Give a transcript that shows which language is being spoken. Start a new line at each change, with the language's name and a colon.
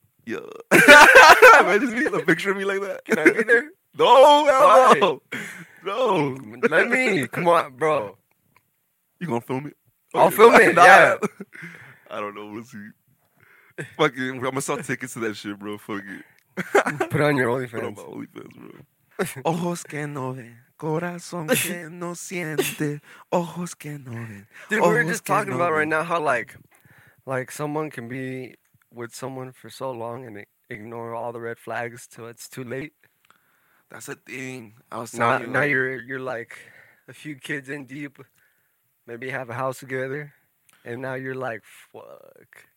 English: Yeah. Imagine me in a picture of me like that. Can I be there? No, no. Let me. Come on, bro. You gonna film it? Okay. I'll film it. Nah. Yeah. I don't know. We'll see. Fucking, I'm gonna sell tickets to that shit, bro. Fuck it. Put on your OnlyFans. Put on my OnlyFans, bro.
Spanish: Ojos que no ven, corazón que no siente, ojos que no ven.
English: Dude, we were just talking about right now how like someone can be with someone for so long and ignore all the red flags till it's too late. That's a thing. I was now, you, now like, you're like a few kids in deep, maybe have a house together, and now you're like, fuck.